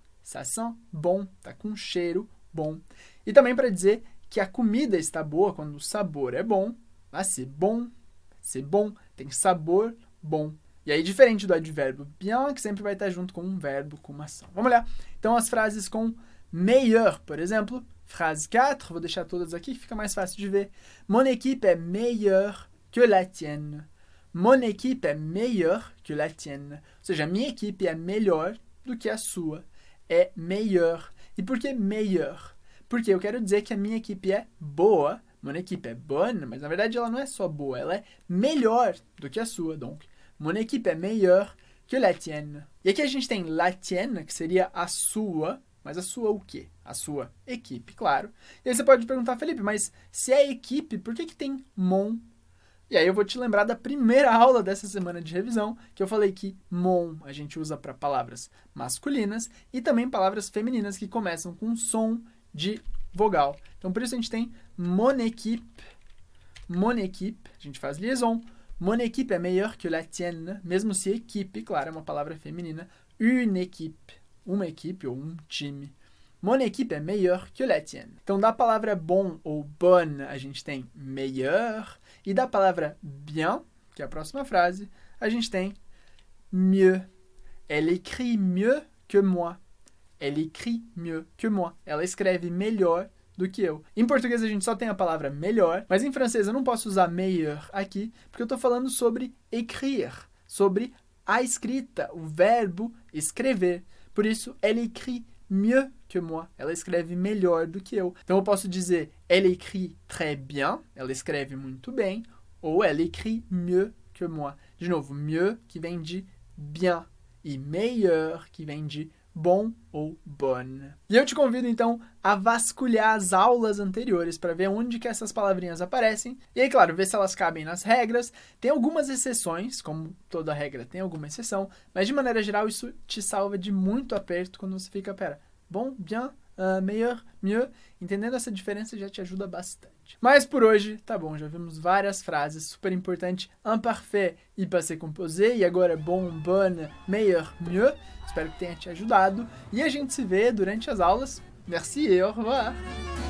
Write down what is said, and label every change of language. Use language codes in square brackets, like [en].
[fr] Ça sent bon, [pt] está com cheiro bom. E também para dizer que a comida está boa, quando o sabor é bom, ah, [fr] c'est bon, [pt] tem sabor bom. E aí, diferente do advérbio bien, que sempre vai estar junto com um verbo, com uma ação. Vamos olhar. Então, as frases com meilleur, por exemplo. Frase 4, vou deixar todas aqui, fica mais fácil de ver. [fr] Mon équipe est meilleure que la tienne. Mon équipe est meilleure que la tienne. [pt] Ou seja, minha equipe é melhor do que a sua. É meilleur. E por que meilleur? Porque eu quero dizer que a minha equipe é boa. [fr] Mon équipe est bonne, [pt] mas na verdade ela não é só boa. Ela é melhor do que a sua, [fr] donc. Mon équipe est meilleure que la tienne. [pt] E aqui a gente tem la tienne, que seria a sua, mas a sua o quê? A sua equipe, claro. E aí você pode perguntar, Felipe, mas se é equipe, por que que tem mon? E aí eu vou te lembrar da primeira aula dessa semana de revisão, que eu falei que mon a gente usa para palavras masculinas e também palavras femininas que começam com som de vogal. Então, por isso a gente tem [fr] mon équipe, a gente faz liaison, mon équipe est meilleure que la tienne, [pt] mesmo se équipe, claro, é uma palavra feminina, [fr] une équipe [pt] ou um time. [fr] Mon équipe est meilleure que la tienne. [pt] Então, da palavra bon ou bonne, a gente tem meilleur, e da palavra bien, que é a próxima frase, a gente tem mieux. [fr] Elle écrit mieux que moi. Elle écrit mieux que moi. [pt] Ela escreve melhor do que eu. Em português a gente só tem a palavra melhor, mas em francês eu não posso usar meilleur aqui, porque eu estou falando sobre écrire, sobre a escrita, o verbo escrever. Por isso, [fr] elle écrit mieux que moi. [pt] Ela escreve melhor do que eu. Então eu posso dizer [fr] elle écrit très bien, [pt] ela escreve muito bem, ou [fr] elle écrit mieux que moi. [pt] De novo, mieux que vem de bien e meilleur que vem de bom ou bonne. E eu te convido, então, a vasculhar as aulas anteriores para ver onde que essas palavrinhas aparecem. E aí, claro, ver se elas cabem nas regras. Tem algumas exceções, como toda regra tem alguma exceção, mas, de maneira geral, isso te salva de muito aperto quando você fica, pera, bon, bien, meilleur, mieux. Entendendo essa diferença já te ajuda bastante. Mas, por hoje, tá bom, já vimos várias frases super importantes. Imparfait e passé composé. E agora, bon, bonne, meilleur, mieux. Espero que tenha te ajudado. E a gente se vê durante as aulas. [fr] Merci [pt] e [fr] au revoir!